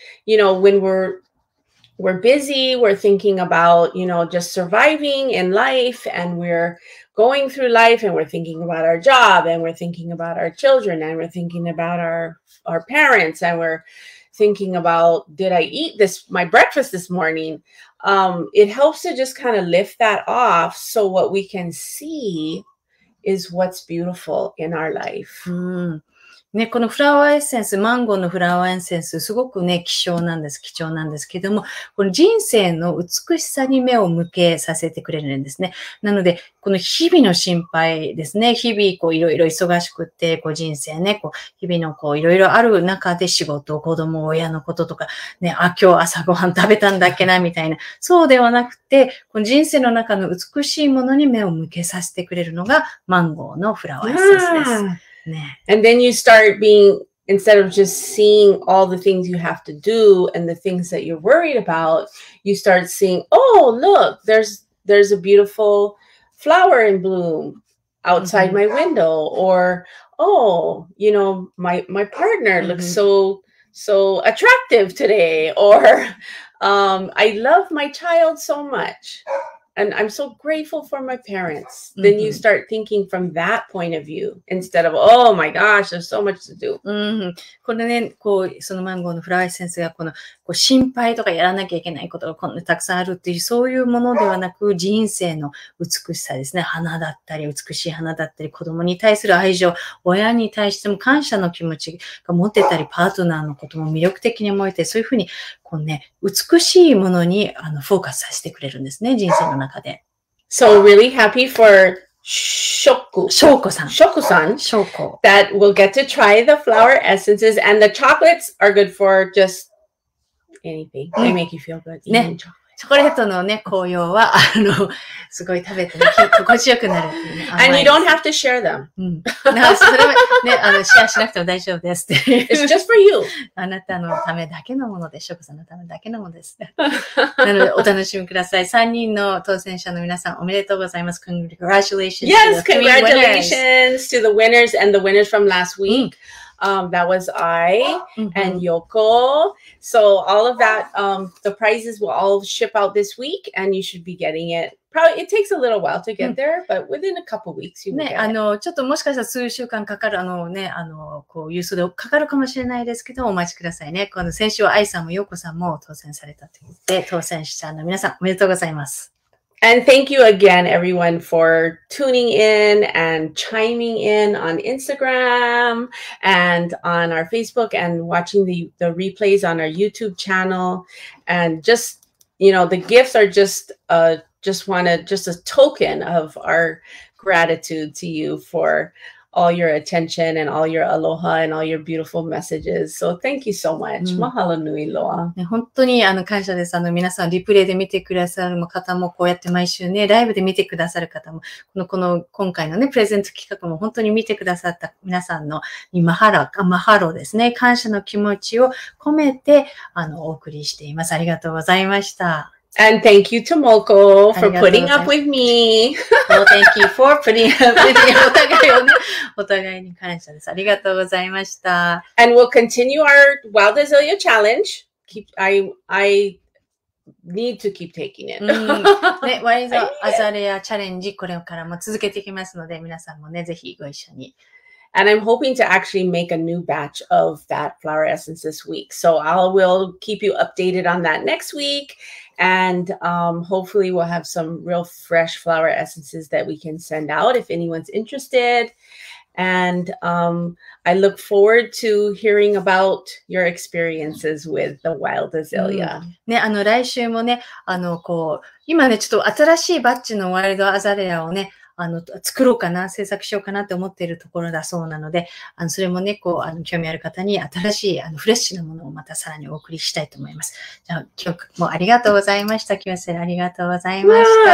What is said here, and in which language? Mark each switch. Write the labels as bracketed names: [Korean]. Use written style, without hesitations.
[English] You know, when we're busy, we're thinking about, you know, just surviving in life and we're going through life and we're thinking about our job and we're thinking about our children and we're thinking about our parents and we're thinking about, did I eat this, my breakfast this morning? It helps to just kind of lift that off so what we can see is what's beautiful in our life.、 [Japanese] ね、このフラワーエッセンス、マンゴーのフラワーエッセンス、すごくね、希少なんです、貴重なんですけども、この人生の美しさに目を向けさせてくれるんですね。なので、この日々の心配ですね、日々こういろいろ忙しくって、こう人生ね、こう日々のこういろいろある中で仕事、子供、親のこととか、ね、あ、今日朝ごはん食べたんだっけな、みたいな。そうではなくて、この人生の中の美しいものに目を向けさせてくれるのが、マンゴーのフラワーエッセンスです。 [English] And then you start being, instead of just seeing all the things you have to do and the things that you're worried about, you start seeing, oh, look, there's a beautiful flower in bloom outside mm-hmm. my window, or, oh, you know, my partner mm-hmm. looks so attractive today, or I love my child so much and I'm so grateful for my parents. Mm-hmm. Then you start thinking from that point of view instead of, oh my gosh, there's so much to do. Mm-hmm. [Japanese] このね、こう、そのマンゴーのフラワーエッセンスがこの、こう、心配とかやらなきゃいけないことがこんなにたくさんあるっていう、そういうものではなく、人生の美しさですね。花だったり、美しい花だったり、子供に対する愛情、親に対しても感謝の気持ちが持てたり、パートナーのことも魅力的に思えて、そういうふうに、こうね、美しいものに、フォーカスさせてくれるんですね、人生の中で。 [English] So really happy for Shoko-san, that we'll get to try the flower essences, and the chocolates are good for just anything. They make you feel good. [Japanese] ね、チョコレートのね、紅葉は、すごい食べて、ね、心地よくなるっていう、ね。 [English] And you don't have to share them. うん。 [Japanese] なそれはね、シェアしなくても大丈夫ですって。 [English] It's just for you. [Japanese] あなたのためだけのもので、ショコさんのためだけのものです。なので、お楽しみください。3人の当選者の皆さん、おめでとうございます。 [English] Congratulations. Yes, congratulations to the winners and the winners from last week.、うんThat was I and Yoko. So all of that, the prizes will all ship out this week and you should be getting it. Probably, it takes a little while to get there, but within a couple weeks you will get it. [Japanese] ね、ちょっともしかしたら数週間かかる、ね、こう、郵送でかかるかもしれないですけど、お待ちくださいね。この先週は愛さんもヨコさんも当選されたと言って、当選者の皆さん、おめでとうございます。 [English] And thank you again, everyone, for tuning in and chiming in on Instagram and on our Facebook and watching the replays on our YouTube channel. And just, you know, the gifts are just a token of our gratitude to you for all your attention and all your aloha and all your beautiful messages. So thank you so much. [Hawaiian] Mahalo nui loa. [Japanese] 本当に感謝です。皆さん、リプレイで見てくださる方も、こうやって毎週ね、ライブで見てくださる方も、この今回のね、プレゼント企画も本当に見てくださった皆さんのマハロですね。感謝の気持ちを込めて、お送りしています。ありがとうございました。 [English] And thank you, Tomoko, for putting up with me. Well, thank you for putting up with me. [Japanese] お互いに感謝です。ありがとうございました。 [English] And we'll continue our Wild Azalea Challenge. I need to keep taking it. [Japanese] ね、Wild Azalea Challenge これからも続けていきますので、皆さんもね、ぜひご一緒に。 [English] And I'm hoping to actually make a new batch of that flower essence this week. So I will keep you updated on that next week. And hopefully we'll have some real fresh flower essences that we can send out if anyone's interested. And I look forward to hearing about your experiences with the wild azalea.、 [Japanese] うん、ね、来週もね、こう、今ね、ちょっと新しいバッジのワイルドアザレアをね、作ろうかな、制作しようかなって思っているところだそうなので、それもね、こう、興味ある方に新しい、フレッシュなものをまたさらにお送りしたいと思います。じゃあ、今日もありがとうございました。キワセラ、ありがとうございました。